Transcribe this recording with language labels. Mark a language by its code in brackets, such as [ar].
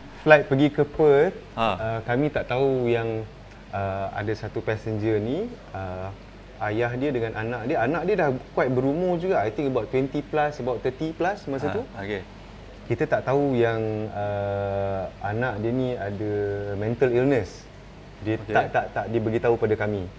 [ms] Flight pergi ke Perth, kami tak tahu yang ada satu passenger ni, ayah dia dengan anak dia. Anak dia dah quite berumur juga. [en] I think about 20 plus, about 30 plus [ms] masa tu. [en] Okay. [ms] Kita tak tahu yang anak dia ni ada mental illness. Dia tak dia beritahu pada kami.